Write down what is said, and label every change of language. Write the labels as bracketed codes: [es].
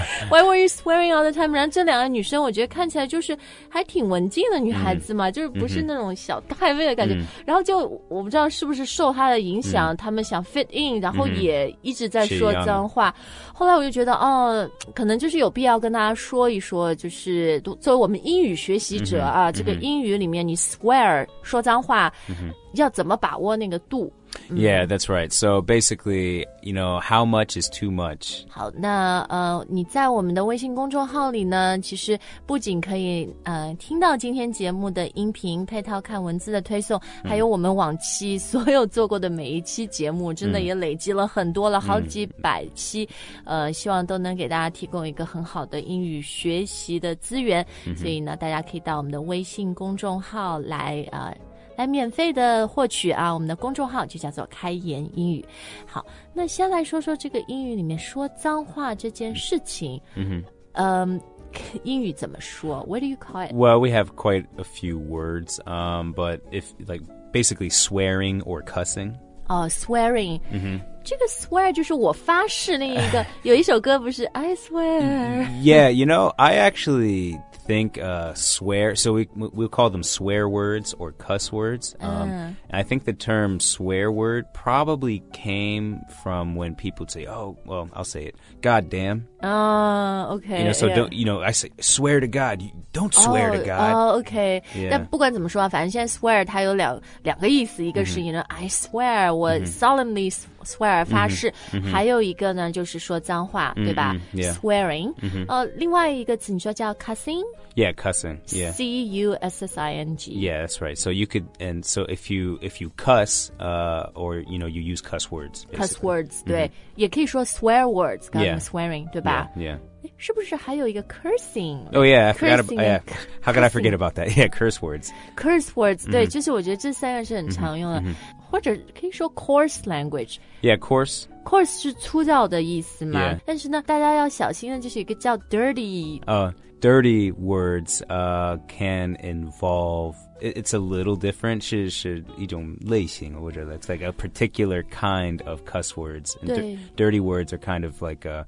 [en] were you swearing all the time [zh] 然后这两个女生我觉得看起来就是还挺文静的女孩子嘛、就是不是那种小太妹的感觉、然后就我不知道是不是受她的影响她们想 fit in 然后也一直在说脏话后来我就觉得哦，可能就是有必要跟大家说一说就是作为我们英语学习者啊、这个英语里面你 swear 说脏话、要怎么把握那个度 [en] Yeah, that's right. So basically, you know, how much is too much? [zh] 好，那你在我们的微信公众号里呢，其实不仅可以听到今天节目的音频，配套看文字的推送，还有我们往期所有做过的每一期节目，真的也累积了很多了，好几百期，希望都能给大家提供一个很好的英语学习的资源。所以呢，大家可以到我们的微信公众号来来免费的获取啊我们的公众号就叫做开言英语好那先来说说这个英语里面说脏话这件事情英语怎么说 [en] What do you call it? Well, we have quite a few words but if like basically swearing or cussing [zh] swearing、这个 swear 就是我发誓那一个有一首歌不是 I swear [en] Yeah, you know, I actuallythink swear, so we'll call them swear words or cuss words. I think the term swear word probably came from when people say, oh, well, I'll say it, God damn. Okay. You know, so don't, you know, I say, swear to God, don't swear to God. Okay. Yeah. [zh] 但不管怎么说反正现在 swear 它有两个意思一个是、 [en] you know, I swear, [zh] 我 solemnly swear, 发誓、还有一个呢就是说脏话、对吧、swearing、另外一个词你说叫 cussing? [en] Yeah, cussing. Yeah. C-U-S-S-I-N-G. Yeah, that's right. So you could, and so if you cuss, or, you know, you use cuss words.、Basically. [zh] Cuss words, 对、也可以说 swear words, 刚刚 swearing, 对吧 [en] yeah. [zh] 是不是还有一个 cursing? [en] Oh, yeah, I forgot about, how could I forget about that? Yeah, curse words. [zh] Curse words, 对、就是我觉得这三个是很常用的。或者可以说 coarse language. [en] Yeah, coarse. [zh] Coarse 是粗糙的意思嘛、 [en] yeah. [zh] 但是呢大家要小心的就是一个叫 dirty. [en] Dirty words can involve, it's a little different, [zh] 是一种类型或者 [en] it's like a particular kind of cuss words. And dirty words are kind of like